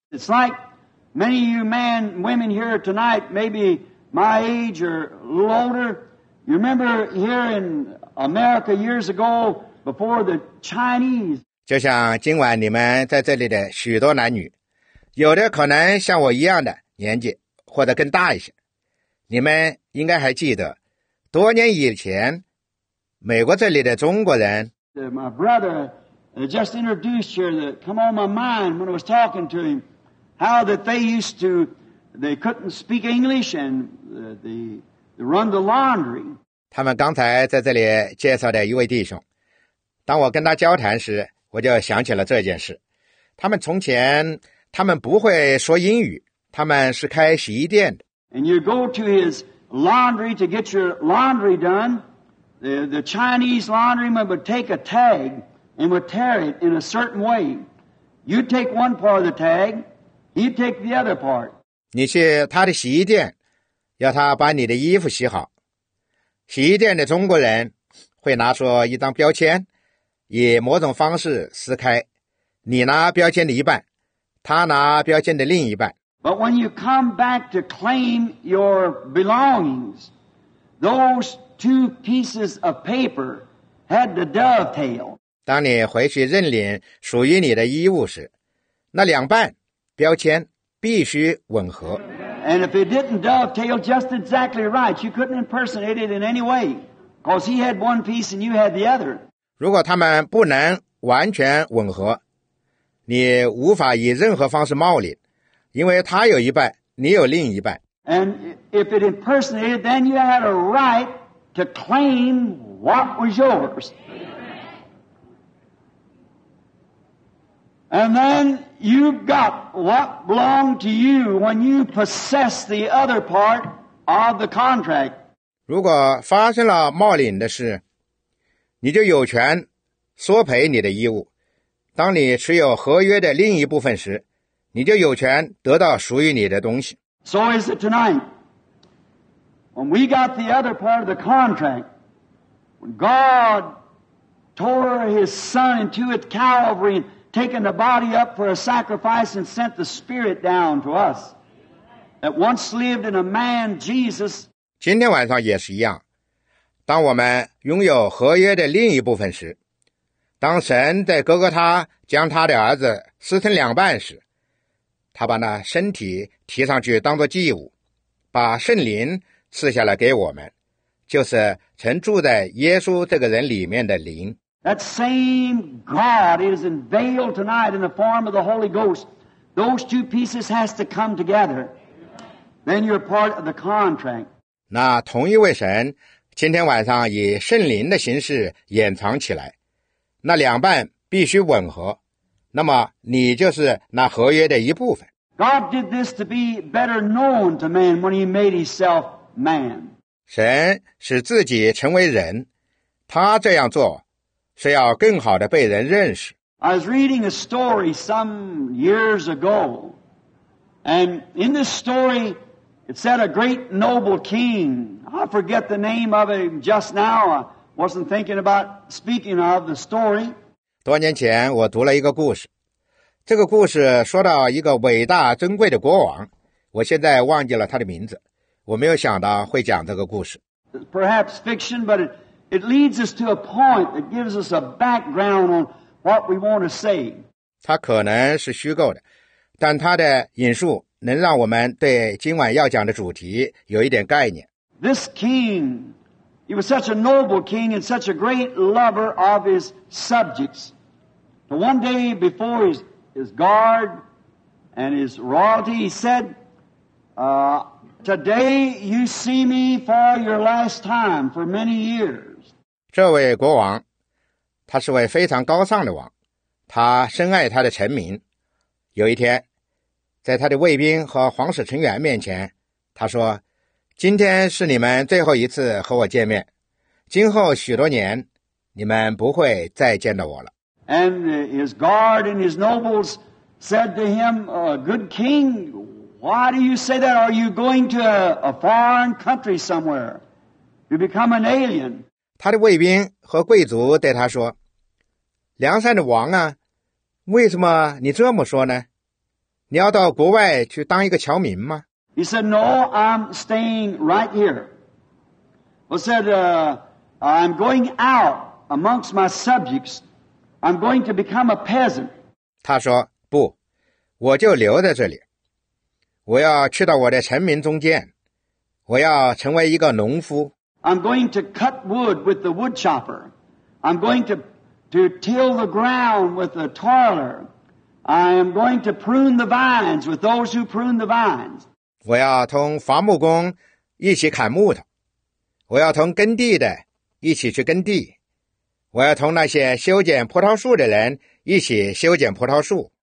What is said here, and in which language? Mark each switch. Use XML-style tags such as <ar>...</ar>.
<en>It's like many of you men, women here tonight, maybe my age or a little older. You remember here in America years ago, before the Chinese.</en> <zh>就像今晚你们在这里的许多男女，有的可能像我一样的年纪，或者更大一些。你们应该还记得，多年以前，美国这里的中国人。</zh> <en>My brother just introduced here that come on my mind when I was talking to him, how that they used to, they couldn't speak English and they run the laundry.</en> <zh>他们刚才在这里介绍的一位弟兄，当我跟他交谈时，我就想起了这件事。他们从前，他们不会说英语，他们是开洗衣店的。</zh> <en>And you go to his laundry to get your laundry done. The Chinese laundryman would take a tag and would tear it in a certain way. You'd take one part of the tag, he'd take the other part.</en> <zh>你去他的洗衣店，要他把你的衣服洗好。洗衣店的中国人会拿出一张标签，以某种方式撕开。你拿标签的一半，他拿标签的另一半。</zh> <en>But when you come back to claim your belongings, those... Two pieces of paper had the dovetail.</en> <zh>当你回去认领属于你的衣物时，那两半标签必须吻合。</zh> <en>And if it didn't dovetail just exactly right, you couldn't impersonate it in any way, because he had one piece and you had the other.</en> <zh>如果他们不能完全吻合，你无法以任何方式冒领，因为他有一半，你有另一半。</zh> <en>And if it impersonated, then you had a right. To claim what was yours. And then you got what belonged to you when you possessed the other part of the contract.</en> <zh>如果发生了冒领的事，你就有权索赔你的衣物。当你持有合约的另一部分时，你就有权得到属于你的东西。</zh> <en>So is it tonight. When we got the other part of the contract, when God tore his son into its Calvary and taken the body up for a sacrifice and sent the spirit down to us that once lived in a man, Jesus.</en> <zh>今天晚上也是一样，当我们拥有合约的另一部分时，当神在哥哥他将他的儿子撕成两半时，他把那身体提上去当作祭物，把圣灵赐下来给我们，就是曾住在耶稣这个人里面的灵。</zh> <en>That same God is unveiled tonight in the form of the Holy Ghost. Those two pieces has to come together. Then you're part of the contract.</en> <zh>那同一位神今天晚上以圣灵的形式掩藏起来，那两半必须吻合，那么你就是那合约的一部分。</zh> <en>God did this to be better known to man when he made himself.</en> <zh>神使自己成为人，他这样做是要更好的被人认识。</zh> <en>I was reading a story some years ago, and in this story, it said a great noble king. I forget the name of him just now. I wasn't thinking about speaking of the story.</en> <zh>多年前我读了一个故事，这个故事说到一个伟大尊贵的国王，我现在忘记了他的名字。我没有想到会讲这个故事。</zh> <en>Perhaps fiction, but it leads us to a point that gives us a background on what we want to say.</en> <zh>它可能是虚构的，但它的引述能让我们对今晚要讲的主题有一点概念。</zh> <en>This king, he was such a noble king and such a great lover of his subjects. But one day before his guard and his royalty, he said, Today you see me for your last time for many years.</en> <zh>这位国王，他是位非常高尚的王，他深爱他的臣民。有一天，在他的卫兵和皇室成员面前，他说：“今天是你们最后一次和我见面，今后许多年，你们不会再见到我了。”</zh> <en>And his guard and his nobles said to him, good king, why do you say that? Are you going to a foreign country somewhere? You become an alien.</en> <zh>他的卫兵和贵族对他说，梁山的王啊，为什么你这么说呢？你要到国外去当一个侨民吗？</zh> <en>He said, no, I'm staying right here. He said, I'm going out amongst my subjects. I'm going to become a peasant.</en> <zh>他说，不，我就留在这里。我要去到我的臣民中间，我要成为一个农夫。</zh> <en>I'm going to cut wood with the wood chopper. I'm going to till the ground with the toiler. I am going to prune the vines with those who prune the vines.</en> <zh>我要同伐木工一起砍木头，我要同耕地的一起去耕地，我要同那些修剪葡萄树的人一起修剪葡萄树。</zh>